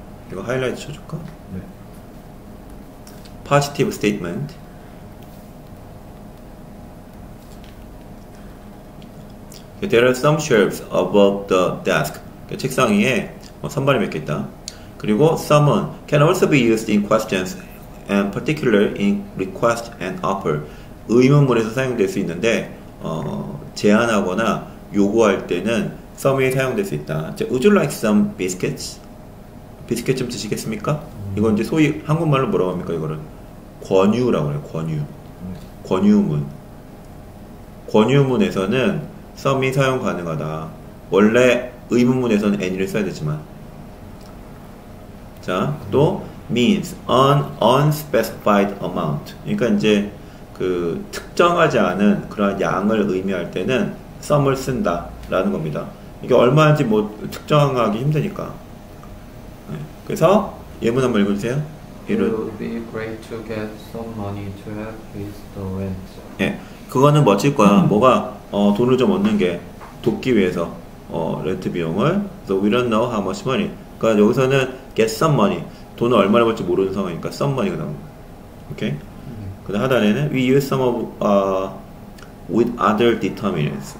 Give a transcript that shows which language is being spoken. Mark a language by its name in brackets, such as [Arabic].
[Korean] 이거 하이라이트 쳐줄까? 네. [English] Positive statement. [Korean] 네. [English] There are some shelves above the desk. [Korean] 책상 위에 선반이 몇 개 있다. 그리고 [English] some은 can also be used in questions and particularly in request and offer. [Korean] 의문문에서 사용될 수 있는데 제안하거나 요구할 때는 some이 사용될 수 있다. [English] Would you like some biscuits? [Korean] 비스킷 좀 드시겠습니까? 이건 이제 소위 한국말로 뭐라고 합니까? 이거를 권유라고 해요. 권유. 권유문. 권유문에서는 some이 사용 가능하다. 원래 의문문에서는 any를 써야 되지만. 자, 또 [English] means an unspecified amount. [Korean] 그러니까 이제 그 특정하지 않은 그런 양을 의미할 때는 some을 쓴다라는 겁니다. 이게 얼마인지 뭐 특정하기 힘드니까. 네. 그래서 예문 한번 읽어주세요. [English] It would be great to get some money to help with the rent. [Korean] 예, 네. 그거는 멋질 거야. 뭐가 돈을 좀 얻는 게 돕기 위해서 렌트 비용을. [English] So we don't know how much money. [Korean] 그러니까 여기서는 [English] get some money. [Korean] 돈을 얼마나 벌지 모르는 상황이니까 some money가 나온 거야. 오케이. 그다음 하단에는 [English] we use some of with other determinants.